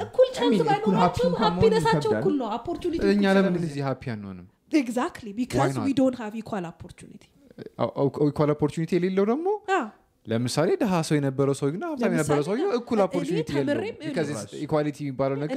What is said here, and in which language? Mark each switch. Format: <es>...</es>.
<am>እኩል ቻንስ ባይኖር ሃፒነሳቸው እኩል ነው opportunity እኛ ለምን እዚህ ሃፒ አንሆንም</am> <en>exactly because we don't have equal opportunity</en> <am>equal opportunity ሊለው ደግሞ ለምሳሌ ደሃ ሰው የነበረው ሰው ግን ሀብታም የነበረው ሰው እኩል opportunity because equality ይባላል ነገር</am>